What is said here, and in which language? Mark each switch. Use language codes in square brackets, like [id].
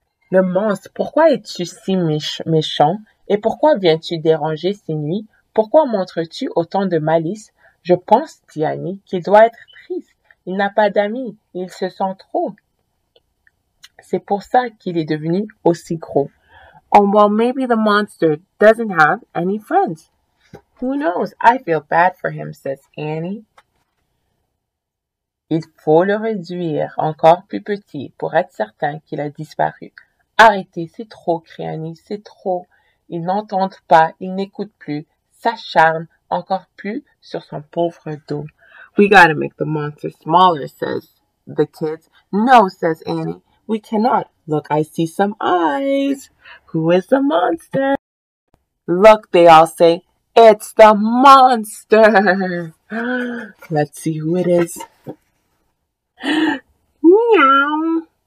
[fr] Le monstre, pourquoi es-tu si méchant? Et pourquoi viens-tu déranger ces nuits? Pourquoi montres-tu autant de malice? Je pense, Diani, qu'il doit être triste. Il n'a pas d'amis. Il se sent trop. C'est pour ça qu'il est devenu aussi gros. [en] Oh, well, maybe the monster doesn't have any friends. Who knows? I feel bad for him, says Annie. [fr] Il faut le réduire encore plus petit pour être certain qu'il a disparu. Arrêtez, c'est trop, crie Annie, c'est trop. Ils n'entendent pas, ils n'écoutent plus, s'acharnent encore plus sur son pauvre dos. [en] We gotta make the monster smaller, says the kids. No, says Annie, we cannot. Look, I see some eyes. Who is the monster? Look, they all say, it's the monster. Let's see who it is. Meow.